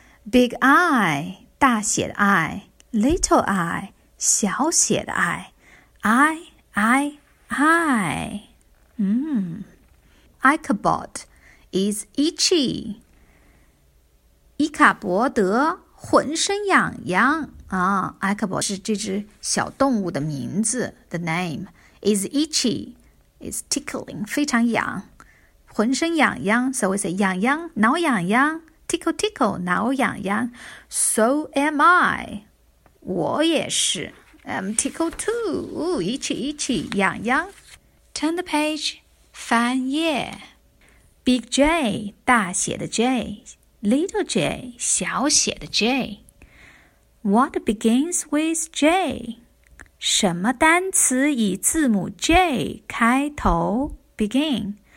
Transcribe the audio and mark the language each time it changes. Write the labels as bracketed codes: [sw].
[en] Big eye [zh] 大写的 [en] I Little eye [zh] 小写的 [en] I I I I Ichabod is itchy. [zh] 伊卡伯德浑身痒痒。 Ichabod 是这只小动物的名字 , [en] the name. Is itchy, is tickling, [zh] 非常痒。浑身痒痒 , [en] so we say [zh] 痒痒,挠痒痒。 [en] Tickle tickle, [zh] 挠痒痒。 [en] So am I. [zh] 我也是。 [en] I'm tickle too. Ooh, itchy, itchy, [zh] 痒痒。 [en] Turn the page. [zh] 翻页 [en] Big J [zh] 大写的 [en] J Little J [zh] 小写的 [en] J What begins with J [zh] 什么单词以字母 J 开头 [en] Begin